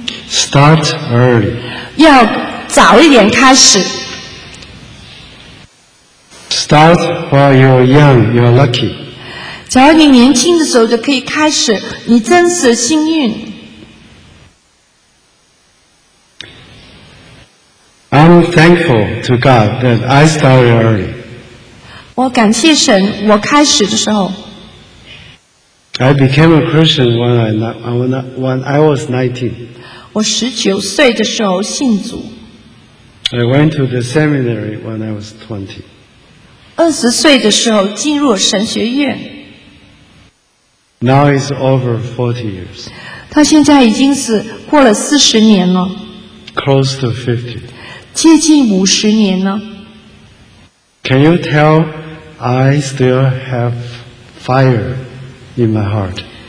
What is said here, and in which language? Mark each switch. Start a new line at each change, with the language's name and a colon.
English: Start early.
Chinese: 要早一点开始。
English: Start while you're young. You're lucky.
Chinese: 只要你年轻的时候就可以开始，你真是幸运。
English: I'm thankful to God that I started early.
Chinese: 我感谢神，我开始的时候。
English: I became a Christian when I was 19.
Chinese: 我十九岁的时候信主。
English: I went to the seminary when I was 20.
Chinese: 二十岁的时候进入神学院。
English: Now it's over 40 years.
Chinese: 他现在已经是过了四十年了。
English: Close to 50.
Chinese: 接近五十年了。
English: Can you tell I still have fire in my heart?